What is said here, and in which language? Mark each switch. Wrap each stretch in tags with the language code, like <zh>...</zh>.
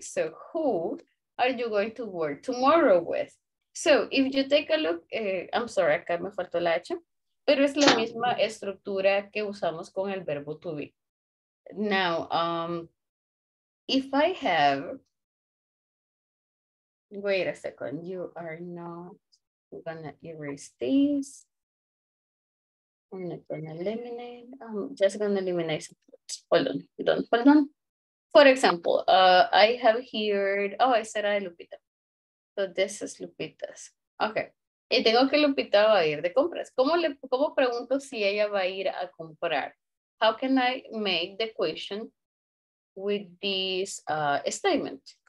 <en>So who are you going to work tomorrow with? So if you take a look, I'm sorry,</en> <es>acá me faltó la H. Pero es la misma estructura que usamos con el verbo to be.</es> <en>Now, if I have, wait a second, you are not gonna erase this. I'm not gonna eliminate, I'm just gonna eliminate some words. Hold on. For example, I have heard, oh, I said I Lupita. So this is Lupita's, okay.</en> <es>Y tengo que Lupita va a ir de compras. ¿Cómo pregunto si ella va a ir a comprar?</es> <en>How can I make the question with this statement?</en>